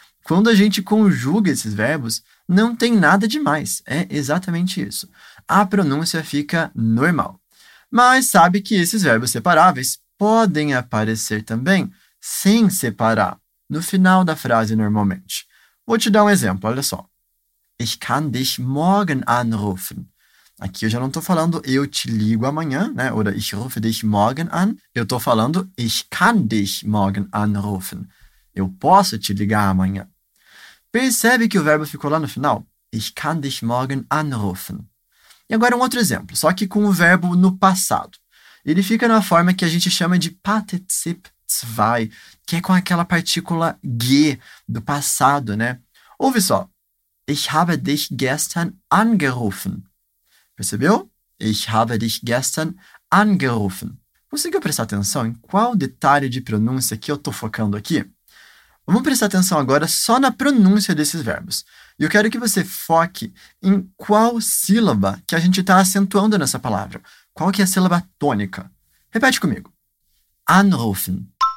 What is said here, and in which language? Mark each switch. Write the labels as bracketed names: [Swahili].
[Portuguese] Quando a gente conjuga esses verbos, não tem nada demais. É exatamente isso. A pronúncia fica normal. Mas sabe que esses verbos separáveis podem aparecer também sem separar, no final da frase, normalmente. Vou te dar um exemplo, olha só. [German] Ich kann dich morgen anrufen. [Portuguese] Aqui eu já não estou falando eu te ligo amanhã, né? [German] Oder ich rufe dich morgen an. [Portuguese] Eu estou falando [German] ich kann dich morgen anrufen. [Portuguese] Eu posso te ligar amanhã. Percebe que o verbo ficou lá no final? [German] Ich kann dich morgen anrufen. [Portuguese] E agora um outro exemplo, só que com o verbo no passado. Ele fica na forma que a gente chama de Partizip 2, que é com aquela partícula ge do passado, né? Ouve só. [German] Ich habe dich gestern angerufen. [Portuguese] Percebeu? [German] Ich habe dich gestern angerufen. [Portuguese] Conseguiu prestar atenção em qual detalhe de pronúncia que eu estou focando aqui? Vamos prestar atenção agora só na pronúncia desses verbos. E eu quero que você foque em qual sílaba que a gente está acentuando nessa palavra. Qual que é a sílaba tônica? Repete comigo. Anrufen.